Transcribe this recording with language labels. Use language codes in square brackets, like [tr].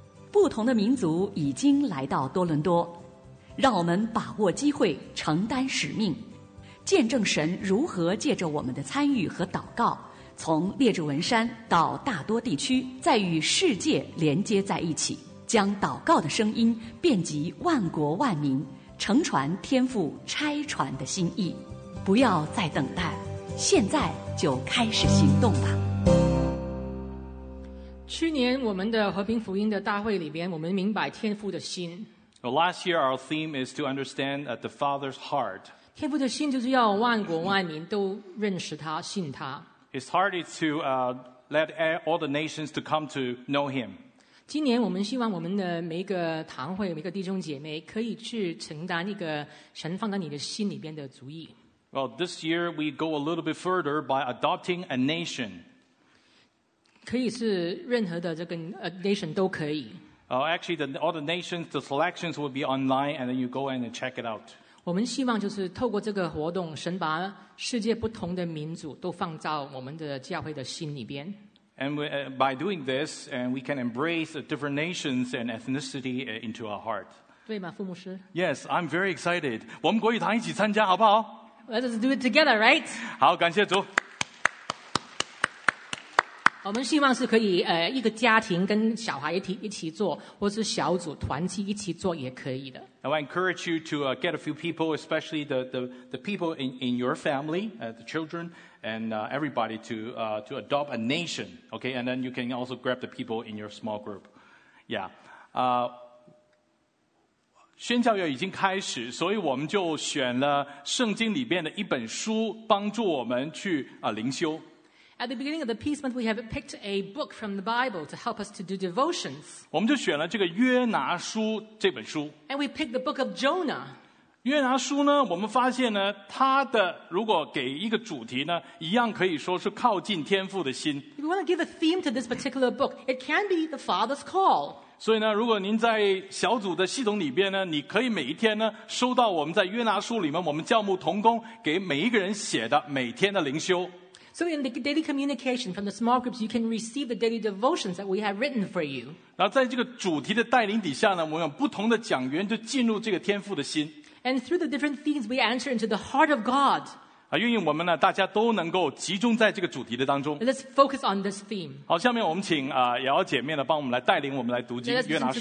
[zh] 不同的民族已经来到多伦多，让我们把握机会，承担使命，见证神如何借着我们的参与和祷告，从列治文山到大多地区，再与世界连接在一起，将祷告的声音遍及万国万民，乘船天父拆船的心意。不要再等待，现在就开始行动吧。去年我们的和平福音的大会里边，我们明白天父的心。 [en] Well, last year our theme is to understand the Father's heart. [zh] 天父的心就是要万国万民都认识他，信他。 [en] His heart is to let all the nations to come to know him. [zh] 今年我们希望我们的每一个堂会，每一个弟兄姐妹可以去承担一个神放在你的心里边的族裔。 [en] Well, this year we go a little bit further by adopting a nation. [zh] 可以是任何的这个 nation 都可以。 [en] Actually, all the nations, the selections will be online, and then you go and check it out. [zh] 我们希望就是透过这个活动，神把世界不同的民族都放到我们的教会的心里边。 [en] And by doing this, and we can embrace different nations and ethnicity into our heart. [zh] 对吗，傅牧师 [en] ？Yes, I'm very excited. [zh] 我们国语堂一起参加，好不好 [en] ？Let's do it together, right? [zh] 好，感谢主。我们希望是可以一个家庭跟小孩一起做，或是小组团体一起做也可以的。 [en] Now, I encourage you to get a few people, especially the people in your family, the children, and everybody to adopt a nation. Okay, and then you can also grab the people in your small group. Yeah. [zh] 宣教月已经开始，所以我们就选了圣经里面的一本书帮助我们去灵修。 [en] At the beginning of the Peace Month, we have picked a book from the Bible to help us to do devotions. [zh] 我们就选了这个约拿书这本书。 [en] And we picked the book of Jonah. [zh] 约拿书呢，我们发现呢，它的如果给一个主题呢，一样可以说是靠近天父的心。 [en] If you want to give a theme to this particular book, it can be the Father's call. [zh] 所以呢，如果您在小组的系统里边呢，你可以每一天呢收到我们在约拿书里面我们教牧同工给每一个人写的每天的灵修。 [en] So in the daily communication from the small groups, you can receive the daily devotions that we have written for you. [zh] 然后在这个主题的带领底下呢，我们有不同的讲员就进入这个天父的心。 [en] And through the different themes, we enter into the heart of God. [zh] 啊，愿意我们呢大家都能够集中在这个主题的当中。 [en] Let's focus on this theme. [zh] 好，下面我们请瑶姐妹呢帮我们来带领我们来读经约拿书。